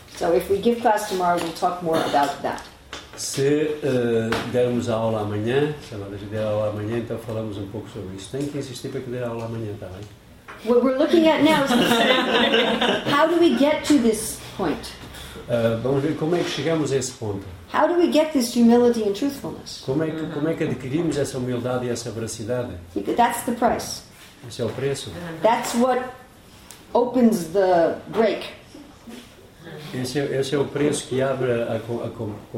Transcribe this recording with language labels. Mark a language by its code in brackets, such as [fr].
[en] So if we give class tomorrow, we'll talk more about that. [pt] Se dermos a aula amanhã, se a madre der a aula amanhã, então falamos um pouco sobre isso. Tem que insistir para que dê a aula amanhã, está bem? [en] What we're looking at now is how do we get to this point? [pt] Vamos ver como é que chegamos a esse ponto. [en] How do we get this humility and truthfulness? [pt] Como é que adquirimos essa humildade e essa veracidade? [en] That's the price. [pt] Esse é o preço. [en] That's what opens the break. [pt] Esse é o preço que abre a como.